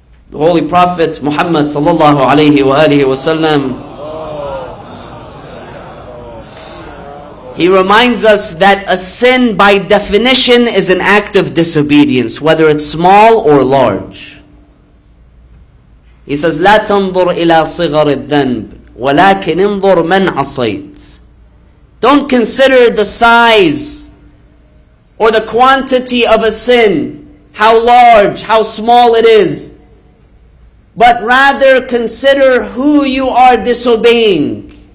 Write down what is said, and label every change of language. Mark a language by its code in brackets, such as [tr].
[en] The Holy Prophet Muhammad sallallahu alayhi wa alihi wa sallam, he reminds us that a sin by definition is an act of disobedience, whether it's small or large. He says, [ar] لا تنظر إلى صغر الذنب ولكن انظر من عصيت. [en] Don't consider the size or the quantity of a sin, how large, how small it is, but rather consider who you are disobeying.